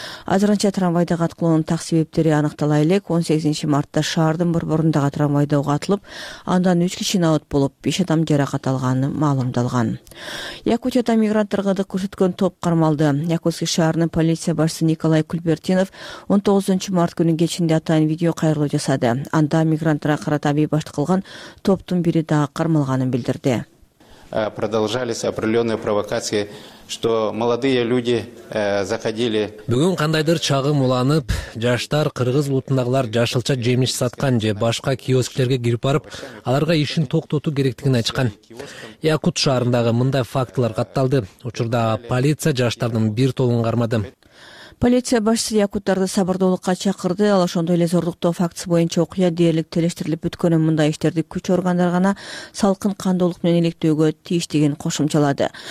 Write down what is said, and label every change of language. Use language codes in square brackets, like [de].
[ky] Азырынча трамвайдагы аткылоонун так себептери аныктала элек. 18 мартта шаардын борборундагы трамвайда ок атылып, андан 3 киши наут болуп, 5 адам жаракат алганы маалымдалган. Якутияда мигранттарга ырдык көрсөткөн топ кармалды. Якутский шаарынын полиция башчысы Николай Кульбертинов 19 март күнү кечинде атайын видео кайрылуу жасады. Анда мигранттарга карата бейбаштык кылган топтун бири дагы кармалганын билдирди. [ru] Продолжались определенные провокации, что молодые люди заходили. [ky] Бүгүн кандайдыр чагым уланып, жаштар кыргыз улутундагылар жашылча жемиш саткан же башка киосктерге кирип барып, аларга ишин токтотуу керектигин айткан. Якут шаарындагы мындай фактылар катталды. Учурда полиция жаштардын бир тобун кармады. Полиция башчысы якуттарды сабырдуулукка чакырды. Ал ошондой эле зордуктоо фактысы боюнча окуя дээрлик телештирилип бүткөнүн, мындай иштерди күч органдар гана салкын кандуулук менен иликтөөгө тийиш деген кошумчалады.